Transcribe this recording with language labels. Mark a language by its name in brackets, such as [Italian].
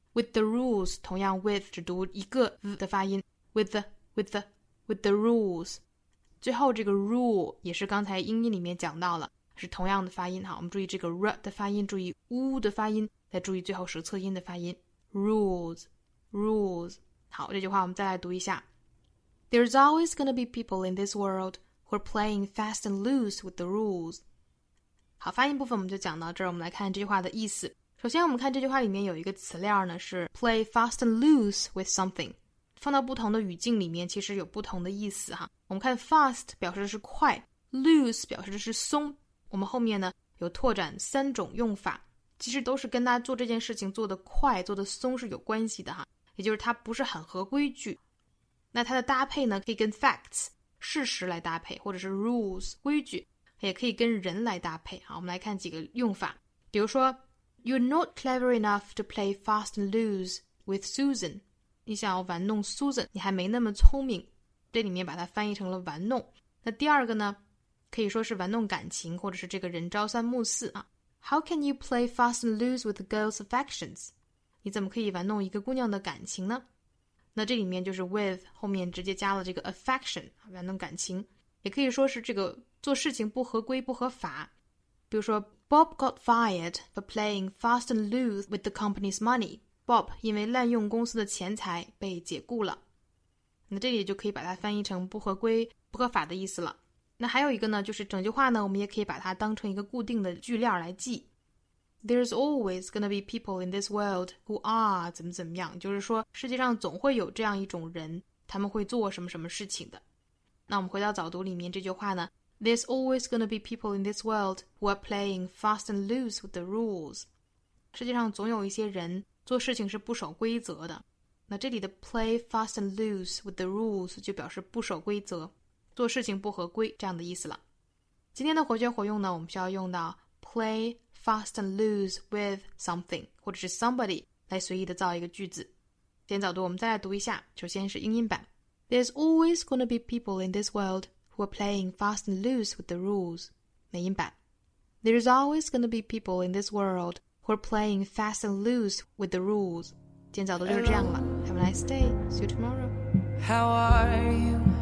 [English] with the rules [Chinese] 同样 with 只读一个 z 的发音 with the rules。最后这个 rule 也是刚才英音里面讲到了，是同样的发音哈，我们注意这个 r 的发音，注意 u 的发音，再注意最后舌侧音的发音 rules。 好，这句话我们再来读一下。 [English] There's always gonna be people in this world who are playing fast and loose with the rules. [Chinese] 好，发音部分我们就讲到这儿，我们来看这句话的意思。首先我们看这句话里面有一个词链呢，是 play fast and loose with something。放到不同的语境里面其实有不同的意思哈。我们看 fast 表示的是快， loose 表示的是松。我们后面呢有拓展三种用法，其实都是跟他做这件事情做得快做得松是有关系的哈，也就是他不是很合规矩。那它的搭配呢可以跟 facts 事实来搭配，或者是 rules 规矩，也可以跟人来搭配。好，我们来看几个用法。 [English] 比如说 You're not clever enough to play fast and loose with Susan。 [Chinese] 你想要玩弄 Susan， 你还没那么聪明，这里面把它翻译成了玩弄。那第二个呢可以说是玩弄感情，或者是这个人朝三暮四啊。 [English] How can you play fast and loose with a girl's affections? [Chinese] 你怎么可以玩弄一个姑娘的感情呢？那这里面就是 with 后面直接加了这个 affection， 玩弄感情，也可以说是这个做事情不合规不合法。 [English] 比如说 Bob got fired for playing fast and loose with the company's money. [Chinese] Bob 因为滥用公司的钱财被解雇了。那这里就可以把它翻译成不合规不合法的意思了。那还有一个呢，就是整句话呢，我们也可以把它当成一个固定的句链来记。 [English] There's always gonna be people in this world who are [Chinese] 怎么怎么样，就是说世界上总会有这样一种人，他们会做什么什么事情的。那我们回到早读里面这句话呢 [English] ，There's always gonna be people in this world who are playing fast and loose with the rules。 [Chinese] 世界上总有一些人做事情是不守规则的。那这里的 play fast and loose with the rules 就表示不守规则。做事情不合规这样的意思了。今天的活学活用呢，我们需要用到 play fast and loose with something 或者是 somebody 来随意的造一个句子。今天早读我们再来读一下，首先是英音版。 [English] There's always gonna be people in this world who are playing fast and loose with the rules. [Chinese] 美音版。 [English] There's always gonna be people in this world who are playing fast and loose with the rules. [Chinese] 今天早读就是这样了。 [English] Have a nice day. See you tomorrow. How are you?